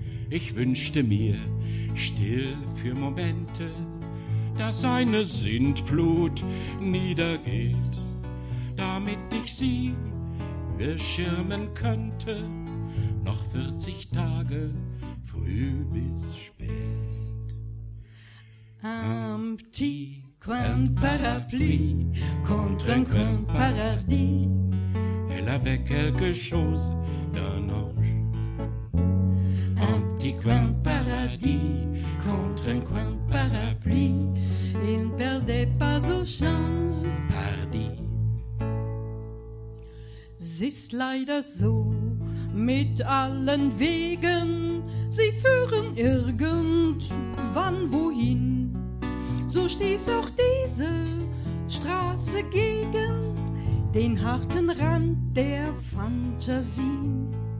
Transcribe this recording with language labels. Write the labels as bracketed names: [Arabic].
[German] Ich wünschte mir still für Momente, dass eine Sintflut niedergeht, damit ich sie beschirmen könnte, noch 40 Tage früh bis spät. [French] Un petit coin parapluie contre un coin paradis, elle avait quelque chose d'un ange. Un petit coin paradis contre un coin parapluie, il ne perdait pas au change. Paradis. [German] Es ist leider so mit allen Wegen, sie führen irgendwann wohin. So stieß auch diese Straße gegen den harten Rand der Fantasien.